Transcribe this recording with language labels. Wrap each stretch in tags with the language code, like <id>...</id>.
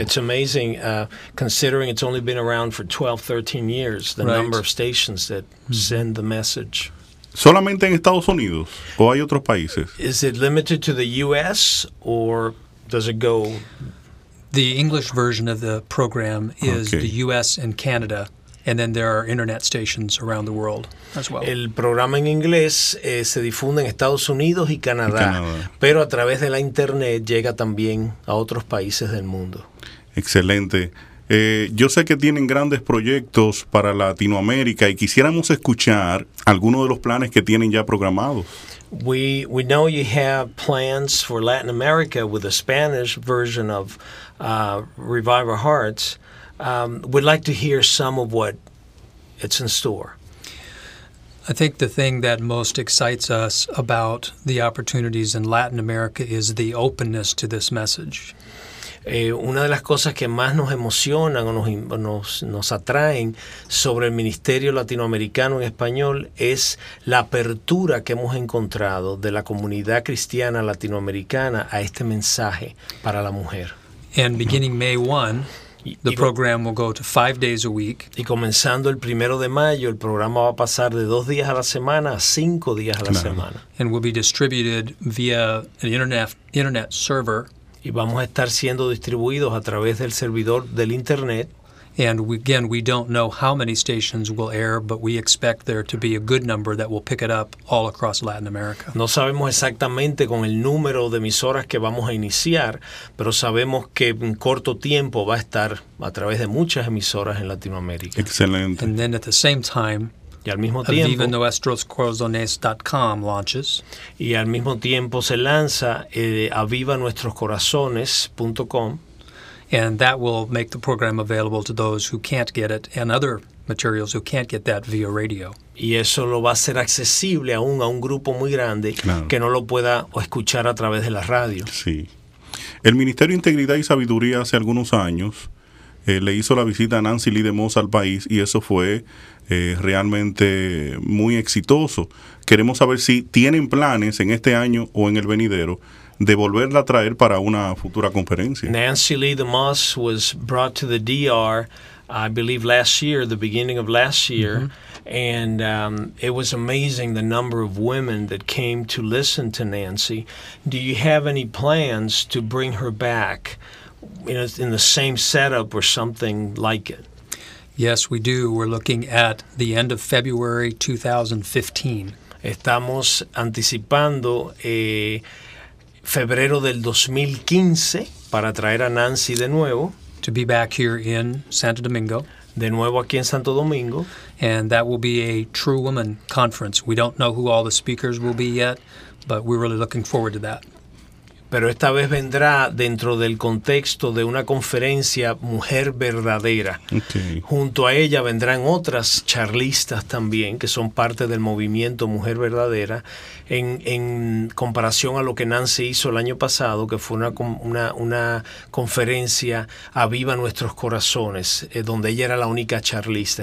<en>It's amazing, considering it's only been around for 12, 13 years, the right. number of stations that mm-hmm. send the message.</en> <es>¿Solamente en Estados Unidos o hay otros países?</es> <en>Is it limited to the U.S. or does it go... The English version of the program is okay. the U.S. and Canada, and then there are internet stations around the world.</en> <es>El programa en inglés se difunde en Estados Unidos y Canadá, pero a través de la internet llega también a otros países del mundo. Excelente. Yo sé que tienen grandes proyectos para Latinoamérica y quisiéramos escuchar algunos de los planes que tienen ya programados.</es> <en>We know you have plans for Latin America with a Spanish version of Revive Our Hearts. We'd like to hear some of what it's in store. I think the thing that most excites us about the opportunities in Latin America is the openness to this message.</en> <es>Una de las cosas que más nos emocionan o nos atraen sobre el ministerio latinoamericano en español es la apertura que hemos encontrado de la comunidad cristiana latinoamericana a este mensaje para la mujer.</es> <en>And beginning May 1, the program will go to 5 days a week.</en> <es>Y comenzando el primero de mayo, el programa va a pasar de 2 días a la semana a 5 días a la semana.</es> <en>And will be distributed via an internet server.</en> <es>Y vamos a estar siendo distribuidos a través del servidor del internet.</es> <en>And we don't know how many stations will air, but we expect there to be a good number that will pick it up all across Latin America.</en> <es>No sabemos exactamente con el número de emisoras que vamos a iniciar, pero sabemos que en corto tiempo va a estar a través de muchas emisoras en Latinoamérica. Excelente.</es> <en>And then at the same time,</en> <es>y al mismo tiempo,</es> <en>AvivaNuestrosCorazones.com launches.</en> <es>Y al mismo tiempo se lanza AvivaNuestrosCorazones.com.</es> <en>And that will make the program available to those who can't get it and other materials who can't get that via radio.</en> <es>Y eso lo va a hacer accesible aún a un grupo muy grande que no lo pueda escuchar a través de la radio. Sí. El Ministerio de Integridad y Sabiduría hace algunos años le hizo la visita a Nancy Lee DeMoss al país y eso fue realmente muy exitoso. Queremos saber si tienen planes en este año o en el venidero de volverla a traer para una futura conferencia.</es> <en>Nancy Lee DeMoss was brought to the DR, I believe last year, the beginning of last year, and it was amazing the number of women that came to listen to Nancy. Do you have any plans to bring her back in the same setup or something like it? Yes, we do. We're looking at the end of February 2015.</en> <es>Estamos anticipando febrero del 2015 para traer a Nancy de nuevo.</es> <en>To be back here in Santo Domingo.</en> <es>De nuevo aquí en Santo Domingo.</es> <en>And that will be a True Woman Conference. We don't know who all the speakers will be yet, but we're really looking forward to that.</en> <es>Pero esta vez vendrá dentro del contexto de una conferencia Mujer Verdadera.</es> <en>Okay.</en> <es>Junto a ella vendrán otras charlistas también que son parte del movimiento Mujer Verdadera en comparación a lo que Nancy hizo el año pasado, que fue una conferencia Aviva Nuestros Corazones, donde ella era la única charlista.</es>